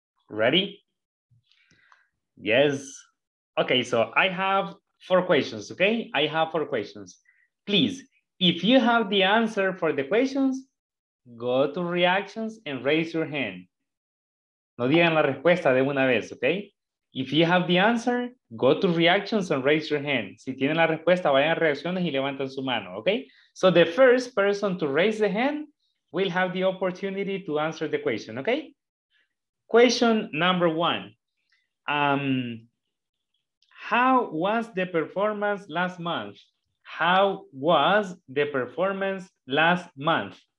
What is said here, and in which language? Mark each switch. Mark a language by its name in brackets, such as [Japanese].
[English] Ready? Yes. Okay, so I have 4 questions, okay? I have 4 questions. Please, If you have the answer for the questions, go to reactions and raise your hand. [Spanish] No digan la respuesta de una vez, okay? [English] If you have the answer, go to reactions and raise your hand. [Spanish] Si tienen la respuesta, vayan a reacciones y levanten su mano, okay? [English] So the first person to raise the hand will have the opportunity to answer the question, okay? Question number one. How was the performance last month? How was the performance last month?